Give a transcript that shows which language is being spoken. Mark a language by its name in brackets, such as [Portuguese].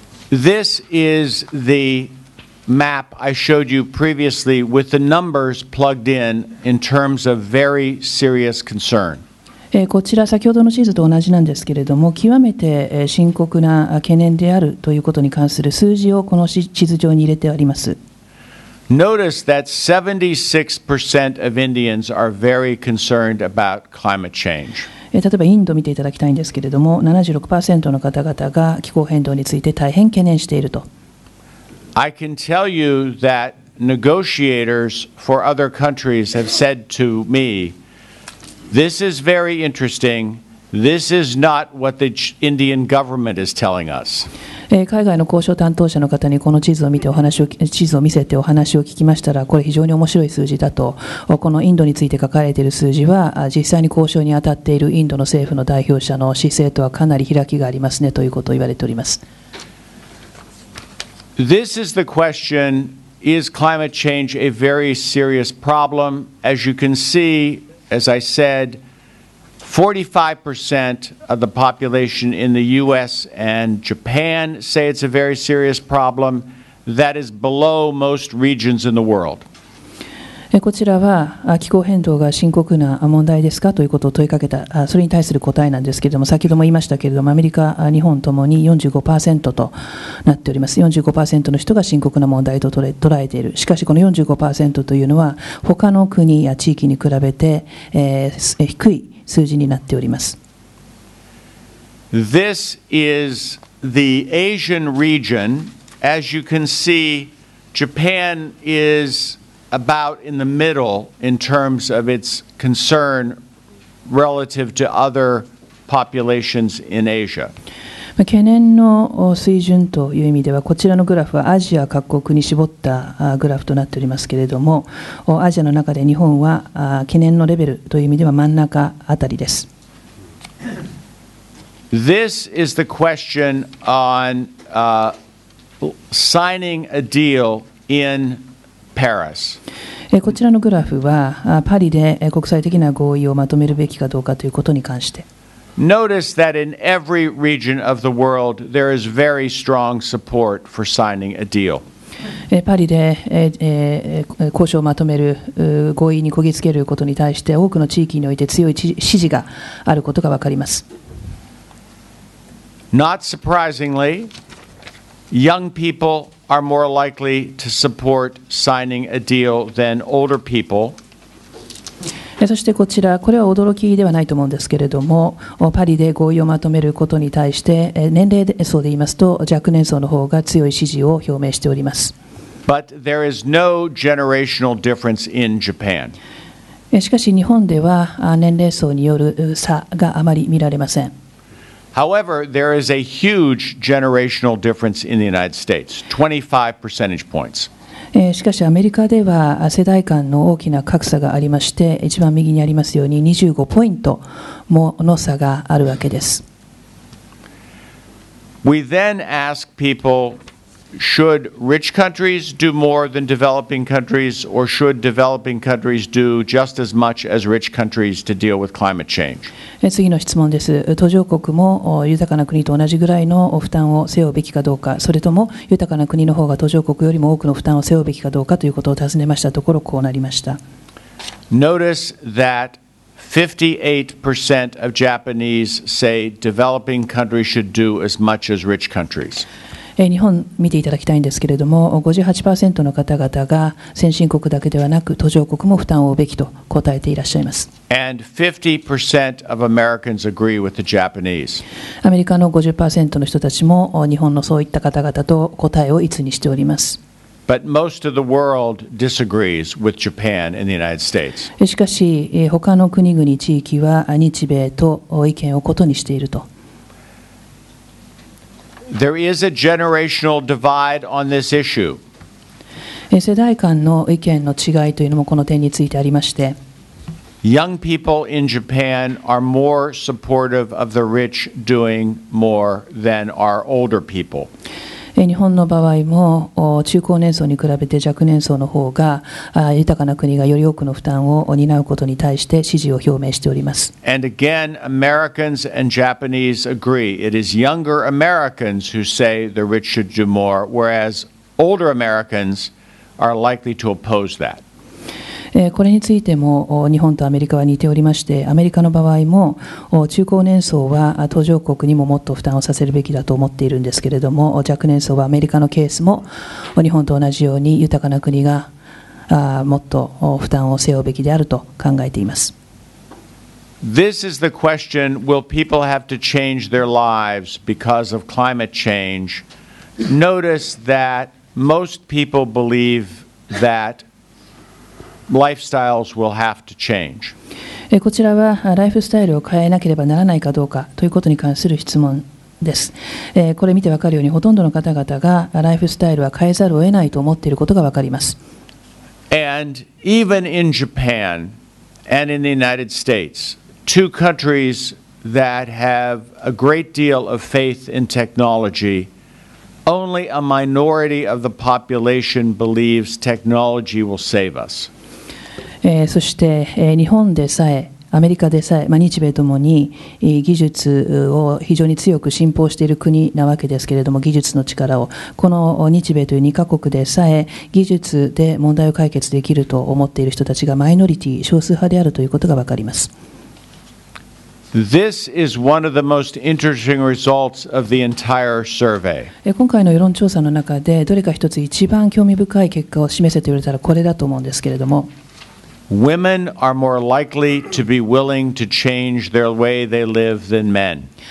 [English] This is the map I showed you previously with the numbers plugged in terms of very serious concern. [Japanese] こちら先ほどの地図と同じなんですけれども極めて深刻な懸念であるということに関する数字をこの地図上に入れてあります。 [English] Notice that 76% of Indians are very concerned about climate change. [Japanese] 例えばインドを見ていただきたいんですけれども、76% の方々が気候変動について大変懸念していると。 [English] I can tell you that negotiators for other countries have said to me, this is very interesting. This is not what the Indian government is telling us. [Japanese] 海外の交渉担当者の方にこの地図を見てお話を地図を見せてお話を聞きましたら、これ非常に面白い数字だと。このインドについて書かれている数字は、実際に交渉に当たっているインドの政府の代表者の姿勢とはかなり開きがありますねということを言われております。 [English] This is the question Is climate change a very serious problem? As you can see, as I said, 45% of the population in the U.S. and Japan say it's a very serious problem. That is below most regions in the world. [Japanese] こちらは気候変動が深刻な問題ですかということを問いかけた、それに対する答えなんですけれども、先ほども言いましたけれども、アメリカ日本ともに 45% となっております。 45% の人が深刻な問題と捉えている。しかしこの 45% というのは他の国や地域に比べて、低い数字になっております。 [English] This is the Asian region. As you can see, Japan isabout in the middle in terms of its concern relative to other populations in Asia. [Japanese] 懸念の水準という意味では、こちらのグラフはアジア各国に絞ったグラフとなっておりますけれども、アジアの中で日本は懸念のレベルという意味では真ん中あたりです。 [English] This is the question on signing a deal inParis. [Japanese] こちらのグラフはパリで国際的な合意をまとめるべきかどうかということに関して。 [English] Notice that in every region of the world, there is very strong support for signing a deal. [Japanese] パリで交渉をまとめる合意にこぎつけることに対して、多くの地域において強い支持があることがわかります。 [English] Not surprisingly, young people. are more likely to support signing a deal than older people. [Japanese] そしてこちら、これは驚きではないと思うんですけれども、パリで合意をまとめることに対して、年齢層で言いますと、若年層の方が強い支持を表明しております。 [English] But there is no generational difference in Japan. [Japanese] しかし日本では年齢層による差があまり見られません。 [English] However, there is a huge generational difference in the United States, 25 percentage points. [Japanese] しかしアメリカでは世代間の大きな格差がありまして、一番右にありますように25ポイントもの差があるわけです。 [English] We then ask people, should rich countries do more than developing countries, or should developing countries do just as much as rich countries to deal with climate change? [Japanese] 次の質問です。途上国も豊かな国と同じぐらいの負担を背負うべきかどうか、それとも豊かな国の方が途上国よりも多くの負担を背負うべきかどうかということを尋ねましたところ、こうなりました。 [English] Notice that 58% of Japanese say developing countries should do as much as rich countries. [Japanese] 日本見ていただきたいんですけれども、 58% の方々が先進国だけではなく途上国も負担を負うべきと答えていらっしゃいます。 [English] And 50% of Americans agree with the Japanese. [Japanese] アメリカの 50% の人たちも日本のそういった方々と答えを一にしております。 [English] But most of the world disagrees with Japan and the United States. [Japanese] しかし他の国々地域は日米と意見を異にしていると。 [English] There is a generational divide on this issue. [Japanese] 世代間の意見の違いというのもこの点についてありまして。 [English] Young people in Japan are more supportive of the rich doing more than are older people. [Japanese] 日本の場合も中高年層に比べて若年層の方が豊かな国がより多くの負担を担うことに対して支持を表明しております。 [English] And again, Americans and Japanese agree. It is younger Americans who say the rich should do more, whereas older Americans are likely to oppose that. [Japanese] これについても日本とアメリカは似ておりまして、アメリカの場合も中高年層は途上国にももっと負担をさせるべきだと思っているんですけれども、若年層はアメリカのケースも日本と同じように豊かな国がもっと負担を背負うべきであると考えています。 [English] This is the question: Will people have to change their lives because of climate change? Notice that most people believe thatLifestyles will have to change. [Japanese] こちらはライフスタイルを変えなければならないかどうかということに関する質問です。これ見てわかるように、ほとんどの方々がライフスタイルは変えざるを得ないと思っていることがわかります。 [English] And even in Japan and in the United States, two countries that have a great deal of faith in technology Only a minority of the population believes technology will save us. [Japanese] そして日本でさえ、アメリカでさえ、まあ、日米ともに技術を非常に強く信奉している国なわけですけれども、技術の力を、この日米という2カ国でさえ技術で問題を解決できると思っている人たちがマイノリティ、少数派であるということがわかります。 [English] This is one of the most interesting results of the entire survey. [Japanese] 今回の世論調査の中でどれか一つ一番興味深い結果を示せと言われたらこれだと思うんですけれども、 [English] Women are more likely to be willing to change their way they live than men.